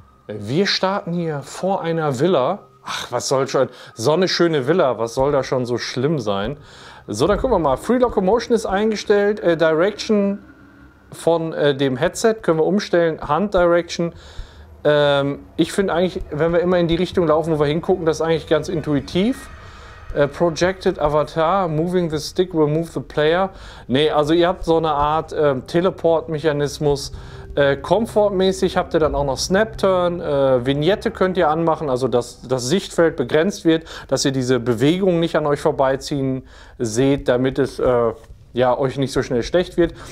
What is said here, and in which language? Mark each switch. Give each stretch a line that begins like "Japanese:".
German: Wir starten hier vor einer Villa. Ach, was soll schon, so eine schöne Villa, was soll da schon so schlimm sein? So, dann gucken wir mal, Free Locomotion ist eingestellt, Direction von dem Headset können wir umstellen, Hand Direction. Ich finde eigentlich, wenn wir immer in die Richtung laufen, wo wir hingucken, das ist eigentlich ganz intuitiv.
English: Projected Avatar, moving the stick will move the player.
German: Nee, also ihr habt so eine Art Teleport-Mechanismus. Komfortmäßig habt ihr dann auch noch Snap-Turn. Vignette könnt ihr anmachen, also dass das Sichtfeld begrenzt wird, dass ihr diese Bewegung nicht an euch vorbeiziehen seht, damit es ja, euch nicht so schnell schlecht wird.